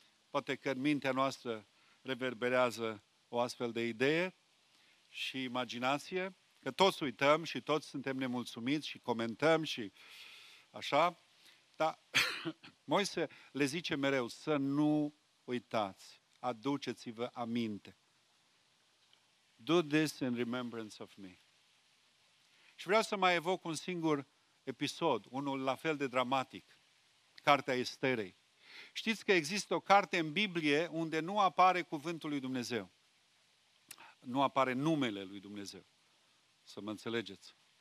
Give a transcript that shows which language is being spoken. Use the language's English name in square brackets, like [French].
[Romanian] Poate că în mintea noastră reverberează o astfel de idee și imaginație, că toți uităm și toți suntem nemulțumiți și comentăm și așa. Dar Moise le zice mereu să nu uitați. Aduceți-vă aminte. [English] Do this in remembrance of me. [Romanian] Și vreau să mai evoc un singur episod, unul la fel de dramatic. Cartea Esterei. Știți că există o carte în Biblie unde nu apare cuvântul lui Dumnezeu. Nu apare numele lui Dumnezeu. Să mă înțelegeți.